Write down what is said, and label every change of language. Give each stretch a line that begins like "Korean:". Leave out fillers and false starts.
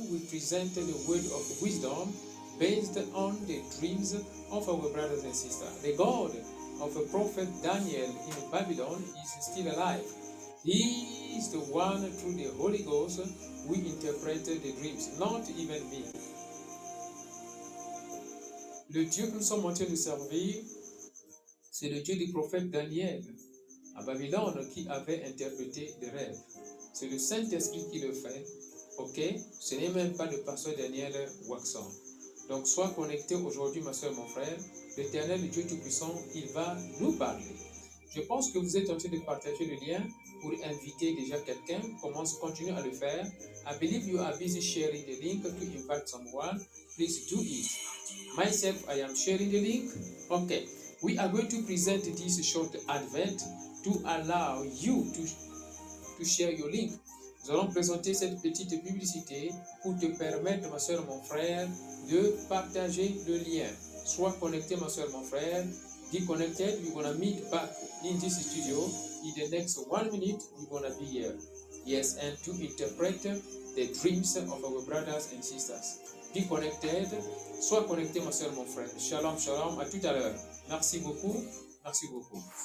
English: We present the word of wisdom based on the dreams of our brothers and sisters. The God of the prophet Daniel in Babylon is still alive. He is the one through the Holy Ghost who interprets the dreams, not even me.
French: Le Dieu que nous sommes en train de servir, c'est le Dieu du prophète Daniel à Babylone qui avait interprété des rêves. C'est le Saint-Esprit qui le fait, ok? Ce n'est même pas le pasteur Daniel Waxon. Donc, sois connecté aujourd'hui, ma soeur, mon frère. L'Éternel, le Dieu Tout-Puissant, il va nous parler. Je pense que vous êtes en train de partager le lien pour inviter déjà quelqu'un. Commence, continue à le faire.
English: I believe you are busy sharing the link to impact someone. Please do it. Myself, I am sharing the link. Okay, we are going to present this short advent to allow you to share your link.
French: Nous allons présenter cette petite publicité pour te permettre, ma soeur, mon frère, de partager le lien. Sois connecté, ma soeur, mon frère.
English: Be connected. We're going to meet back in this studio. In the next 1 minute, we're going to be here. Yes, and to interpret the dreams of our brothers and sisters. Be connected.
French: Sois connecté, ma soeur, mon frère. Shalom, shalom. À tout à l'heure. Merci beaucoup. Merci beaucoup.